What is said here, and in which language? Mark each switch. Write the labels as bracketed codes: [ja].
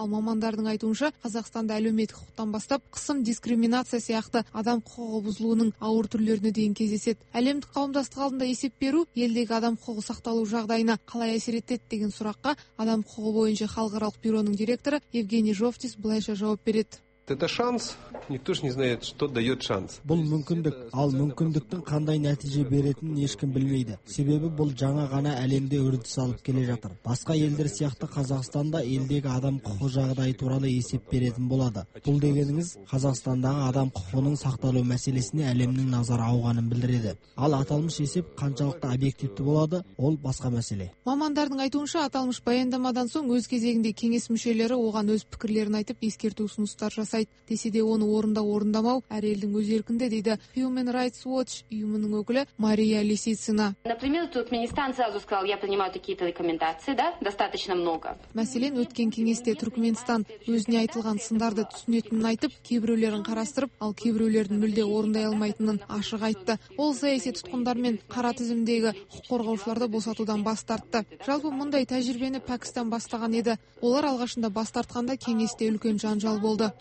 [kk] Ал мамандардың айтуынша, Қазақстанда әлеуметтік құқықтан бастап қысым, дискриминация сияқты адам құқығы бұзылуының ауыр түрлеріне дейін кездеседі. Әлемдік қауымдастық алдында есеп беру елдегі адам құқығы сақталу жағдайына қалай әсер етеді деген сұраққа адам құқығы бойынша халықаралық бюроның директоры Евгений Жовтис былайша жауап береді. [ru] Это шанс, никто ж не знает, что даёт шанс. [kk] Бұл мүмкіндік, ал мүмкіндіктің қандай нәтиже беретінін ешкім білмейді. Себебі бұл жаңа ғана әлемде үрдіс алып келе жатыр. Басқа елдер сияқты Қазақстанда елдегі адам құқығы жағдайы туралы есеп беретін болады. Бұл дегеніңіз Қазақстандағы адам құқығының сақталу мәселесіне әлемнің назары ауғанын білдіреді. Ал аталмыш есеп қаншалықты объективті болады, ол басқа мәселе. Мамандардың айтуынша, аталмыш баяндамадан соң өз кезегінде кеңес мүшелері оған өз пікірлерін айтып ескерту ұсыныстар сайт десе де оны орындау-орындамау әр елдің өз еркінде, дейді Human Rights Watch ұйымының өкілі Мария Лисицина. [ru] Например, тут мне Стан сразу сказал, я принимаю такие-то рекомендации, да, достаточно много. [kk] Мәселен, өткен кеңесте Түркменстан өзіне айтылған сындарды түсінетінін айтып, кейбіреулерін қарастырып, ал кейбіреулердің мүлде орындай алмайтынын ашық айтты. Ол саяси тұтқындар мен қара тізімдегі құқық қорғаушыларды босатудан бас тартты. Жалпы мұндай тәжірибені Пәкістан бастаған еді. Олар алғашында бас тартқанда кеңесте үлкен жанжал болды.